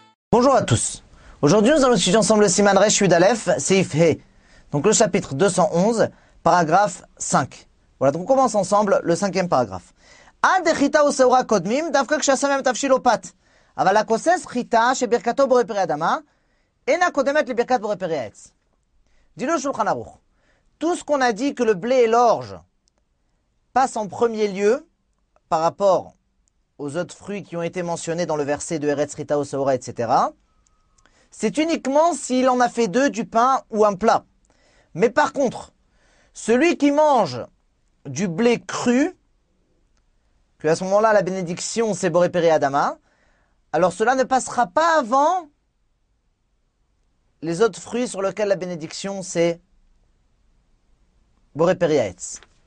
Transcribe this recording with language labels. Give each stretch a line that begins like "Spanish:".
French: Bonjour à tous. Aujourd'hui, nous allons étudier ensemble le Siman Resh Yud Alef, Seif He. Donc le chapitre 211, paragraphe 5. Voilà, donc on commence ensemble le cinquième paragraphe.
Hebrew: Ad Echita Oseura Kodmim, Davka Kshasamem Tafshilopat. אבל הכוסס חיטה שברכתו בורא פרי אדמה אינה קודמת לברכת בורא פרי עץ. דינו שולחן ערוך.
French: Tout ce qu'on a dit que le blé et l'orge passent en premier lieu par rapport aux autres fruits qui ont été mentionnés dans le verset de Eretz Chita Oseura, etc. C'est uniquement s'il en a fait deux, du pain ou un plat. Mais par contre, celui qui mange du blé cru, que à ce moment-là, la bénédiction, c'est bore peri adama, alors cela ne passera pas avant les autres fruits sur lesquels la bénédiction, c'est bore peri haetz.